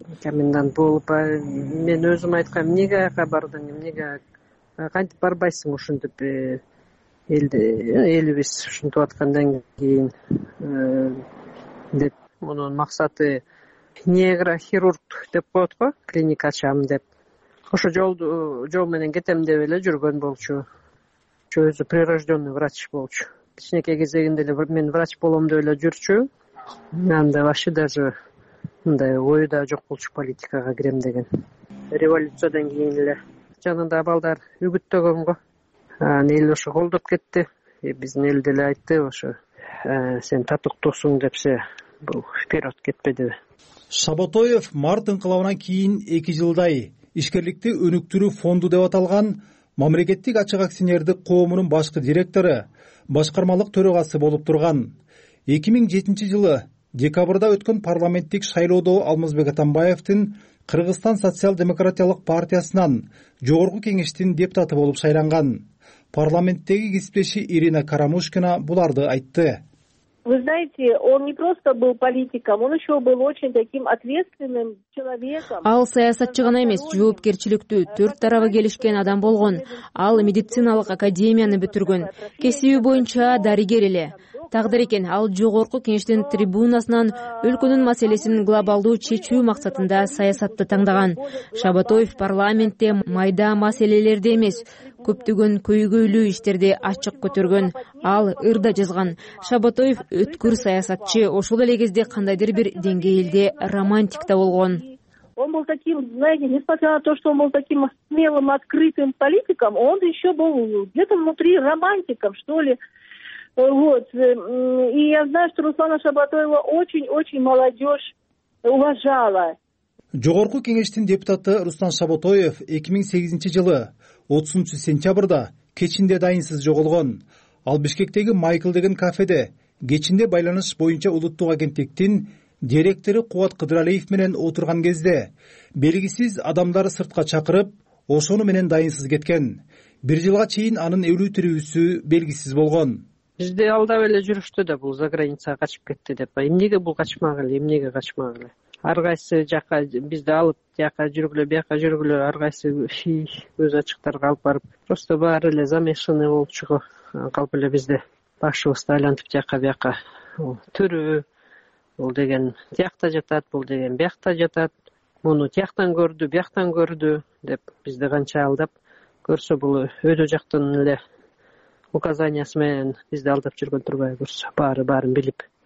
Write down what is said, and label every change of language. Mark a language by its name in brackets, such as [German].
[Kyrgyz] Комендант болуп мен өзүм айткам, эмнеге ага бардың, эмнеге кантип барбайсың ушинтип элибиз ушинтип аткандан кийин деп мунун максаты нейрохирург деп коет го, клиника ачам деп. Ошо жол менен кетем деп эле жүргөн болчу. Өзү [Russian] прирожденный врач [Kyrgyz] болчу. Кичинекей кезегинде эле мен врач болом деп эле жүрчү. Анда [Russian] вообще даже [Kyrgyz] мындай ою да жок болчу политикага кирем деген. Революциядан кийин эле жанында балдар үгүттөгөнго анан эл ошо колдоп кетти. Биздин эл деле айтты ошо сен татыктуусуң депсе бул вперед кетпедиби. Шабытоев март инкылабынан кийин 2 жылдай ишкерликти өнүктүрүү фонду деп аталган мамлекеттик ачык акционердик коомунун башкы директору, башкармалык төрагасы болуп турган. 2007 жылы декабрда өткөн парламенттик шайлоодо Алмазбек Атамбаевдин Кыргызстан социал-демократиялык партиясынан Жогорку Кеңештин депутаты болуп шайланган. Парламенттеги кесиптеши Ирина Карамушкина буларды айтты. [Russian] Вы знаете, он не просто был политиком, он еще был очень таким ответственным человеком. [Kyrgyz] Ал саясатчы гана эмес, жоопкерчиликтүү, төрт тарабы келишкен адам болгон. Ал медициналык академияны бүтүргөн. Кесиби боюнча дарыгер эле. Тагдыр экен, ал жогорку кеңештин трибунасынан өлкөнүн маселесин глобалдуу чечүү максатында саясатты таңдаган. Шабатоев парламентте майда маселелерди эмес, көптөгөн көйгөйлүү иштерди ачык көтөргөн. Ал ырда жазган. Шабатоев өткүр саясатчы, ошол эле кезде кандайдыр бир деңгээлде романтик да болгон. [Russian] Он был таким, знаете, несмотря на то, что он был таким смелым, открытым политиком, он еще был где-то внутри романтиком, что ли. Вот. И я знаю, что Руслана Шабатоева очень-очень молодежь уважала. [Kyrgyz] Жогорку кеңештин депутаты Руслан Шабатоев 2008 жылы 30 сентябрда кечинде дайынсыз жоголгон. Ал Бишкектеги Майкл деген кафеде кечинде байланыш боюнча улуттук агенттиктин директору Кубат Кыдыралиев менен отурган кезде белгисиз адамдар сыртка чакырып, ошону менен дайынсыз кеткен. Бир жылга чейин анын өлүү тирүүсү белгисиз болгон. Бизди алдап эле жүрүштү да, бул за границага качып кетти деп. Эмнеге бул качмак эле, эмнеге качмак эле? Ар кайсы жака бизди алып, тияка жүргүлө, бияка жүргүлө, ар кайсы өз ачыктарга алып барып, просто баары эле замешанный болчуго калып эле бизди башыбызды айлантып тияка бияка төрөө бул деген тиякта жатат, бул деген биякта жатат, муну тияктан көрдү, бияктан көрдү деп бизди канча алдап көрсө, бул өйдө жактан эле указаниясы менен бизди алдап жүргөн турбай, көрсө баары баарын билип,